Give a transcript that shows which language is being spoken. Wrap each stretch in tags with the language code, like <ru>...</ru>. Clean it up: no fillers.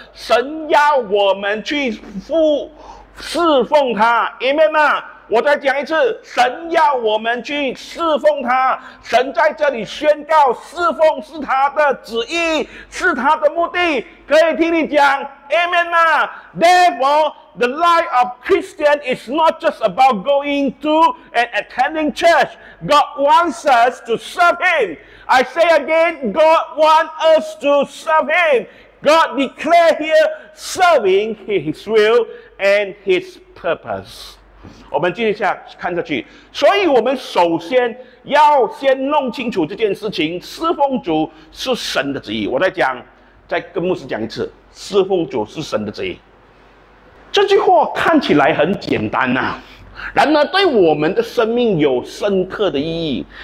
<zh>神要我们去侍奉他， Amen 吗？我再讲一次，神要我们去侍奉他。神在这里宣告，侍奉是他的旨意，是他的目的。可以听你讲 Amen 吗？</zh> <en>Therefore, the life of Christian is not just about going to and attending church. God wants us to serve him. I say again, God wants us to serve him. God declare here serving his will and his purpose.</en> <zh>我们继续下看下去。所以我们首先要先弄清楚这件事情，侍奉主是神的旨意。我再讲，再跟牧师讲一次，侍奉主是神的旨意。这句话看起来很简单啊，然而对我们的生命有深刻的意义。</zh>